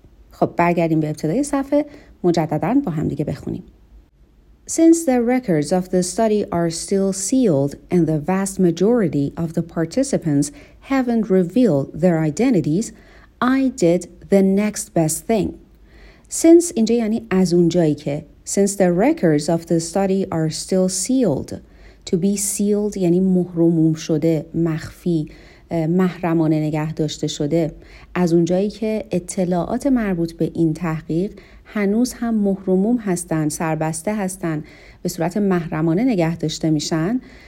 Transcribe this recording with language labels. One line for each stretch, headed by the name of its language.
Persian: خب برگردیم به ابتدای صفحه، مجدداً با هم دیگه بخونیم.
English: Since the records of the study are still sealed and the vast majority of the participants haven't revealed their identities, I did the next best thing.
Persian: Since اینجا یعنی از اونجایی که
English: since the records of the study are still sealed, to be sealed
Persian: یعنی مهرموم شده، مخفی، محرمانه نگه داشته شده، از اونجایی که اطلاعات مربوط به این تحقیق هنوز هم مهرموم هستن، سربسته هستن، به صورت محرمانه نگه داشته میشن.